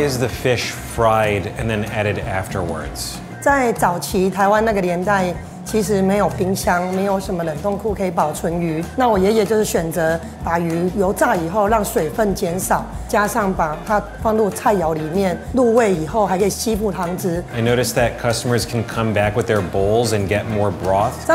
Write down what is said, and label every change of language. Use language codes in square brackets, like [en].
[en] is the fish fried and then added afterwards? [zh] 在早期台湾那个年代。其实没有冰箱，没有什么冷冻库可以保存鱼。那我爷爷就是选择把鱼油炸以后，让水分减少，加上把它放入菜肴里面，入味以后还可以吸附汤汁。 [en] I noticed that customers can come back with their bowls and get more broth.